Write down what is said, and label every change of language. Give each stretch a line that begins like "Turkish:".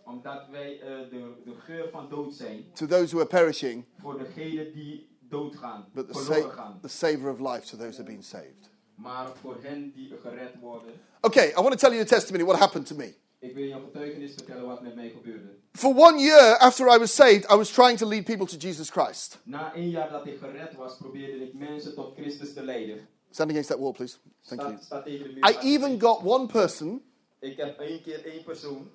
Dutch: Omdat wij de geur van dood zijn.
English: To those who are perishing.
Dutch: Voor degenen die doodgaan.
English: But the savor of life to those who have been saved.
Dutch: Maar voor hen die gered worden.
English: Okay, I want to tell you a testimony, what happened to me.
Dutch: Ik wil je een getuigenis vertellen wat met mij gebeurde.
English: For 1 year after I was saved, I was trying to lead people to Jesus Christ.
Dutch: Na 1 jaar dat ik gered was, probeerde ik mensen tot Christus te leiden.
English: Stand against that wall, please. Thank you.
Dutch: Sta tegen de muur.
English: I even got one person.
Dutch: Ik heb één keer één persoon.